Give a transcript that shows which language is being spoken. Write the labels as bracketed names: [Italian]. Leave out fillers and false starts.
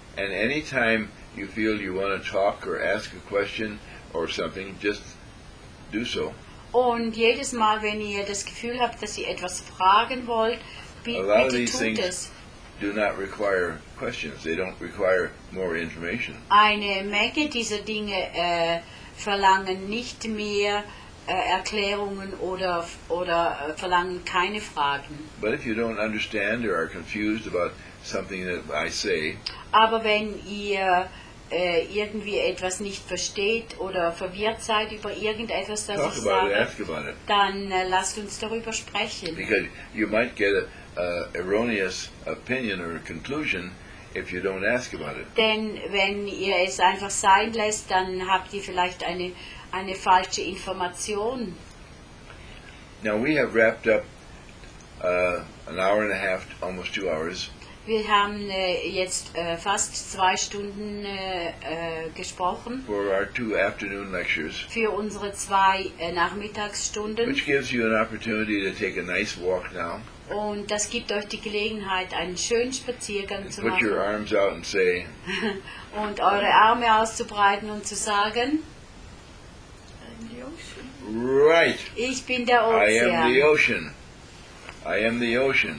[English] And anytime you feel you want to talk or ask a question or something, just do so. [German] Und jedes Mal, wenn ihr das Gefühl habt, dass ihr etwas fragen wollt, bitte tut es. [English] A lot of these things do not require questions. They don't require more information. [German] Eine Menge dieser Dinge verlangen nicht mehr Erklärungen oder verlangen keine Fragen. [English] But if you don't understand or are confused about something that I say, [German] aber wenn ihr irgendwie etwas nicht versteht oder verwirrt seid über irgendetwas, das [English] talk about [German] sage, [English] it, ask about it. [German] Dann lasst uns darüber sprechen. [English] Because you might get an erroneous opinion or a conclusion if you don't ask about it. [German] Denn wenn ihr es einfach sein lässt, dann habt ihr vielleicht eine falsche Information. [English] Now we have wrapped up an hour and a half, almost 2 hours. [German] Wir haben jetzt fast 2 Stunden gesprochen [English] for our 2 afternoon lectures, [German] für unsere 2 Nachmittagsstunden, [English] which gives you an opportunity to take a nice walk now, [German] und das gibt euch die Gelegenheit, einen schönen Spaziergang zu [English] put [German] machen, [English] your arms out and say, [German] und eure Arme auszubreiten und zu sagen, [English] right. [German] Ich bin der Ozean. [English] I am the ocean. I am the ocean.